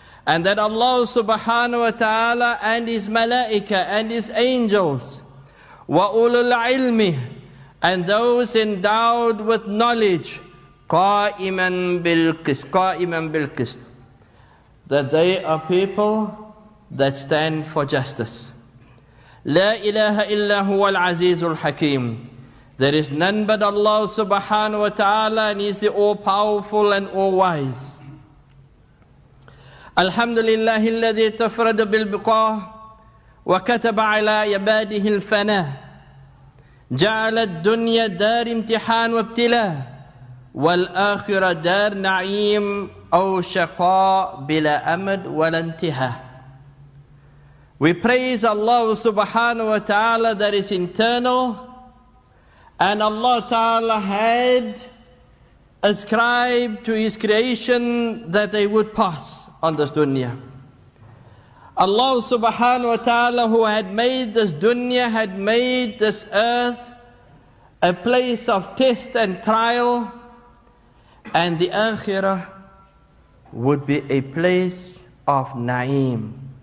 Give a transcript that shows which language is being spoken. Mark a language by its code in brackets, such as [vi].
[en] And that Allah subhanahu wa ta'ala and His malaika and His angels, [ar] wa ulul ilmi, [en] and those endowed with knowledge, [ar] qa'iman bil qist, [en] that they are people that stand for justice. [ar] لا إله إلا هو العزيز الحكيم. [en] There is none but Allah subhanahu wa ta'ala and He is the all-powerful and all-wise. [ar] الحمد لله الذي تفرد بالبقاء وكتب على عباده الفناء جعل الدنيا دار امتحان وابتلاء والآخرة دار نعيم أو شقاء بلا أمد ولا انتهاء. [en] We praise Allah subhanahu wa ta'ala that is internal and Allah ta'ala had ascribed to His creation that they would pass on this dunya. Allah subhanahu wa ta'ala who had made this dunya, had made this earth a place of test and trial and the akhirah would be a place of na'im.